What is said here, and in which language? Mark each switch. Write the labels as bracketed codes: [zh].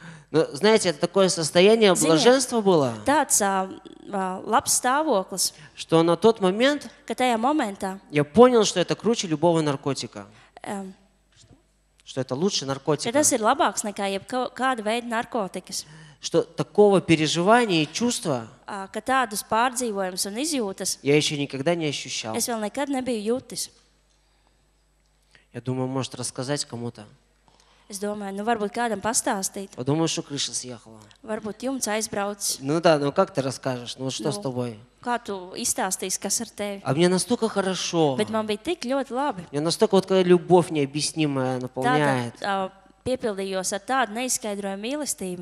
[ru] Ну, знаете, это такое состояние блаженства было. [lv] Tāds labs stāvoklis. [ru] Что на тот момент, [lv] ka tajā momentā, [ru] я понял, что это круче любого наркотика. Что это лучше наркотика. [lv] Ka tas ir labāks nekā jebkāda veida narkotikas. [ru] Что такого переживания и чувства, [lv] ka tādus pārdzīvojums un izjūtas, [ru] я еще никогда не ощущал. [lv] Es vēl nekad nebiju jūtis. [ru] Я думаю, может рассказать кому-то. [lv] Es [ru] думаю, ну, [lv] varbūt kādam pastāstīt. [ru] Подумаю, что крыша съехала. [lv] Varbūt jumts aizbrauc. [ru] Ну да, ну как ты расскажешь? Ну что с тобой? [lv] Kā tu izstāstīsi, kas ar tevi? [ru] А мне настолько хорошо. [lv] Bet man bija tik ļoti labi. [ru] Я настолько вот какая любовь необъяснимая наполняет. [lv] Tātad piepildījos ar tādu neizskaidrojumu mīlestību.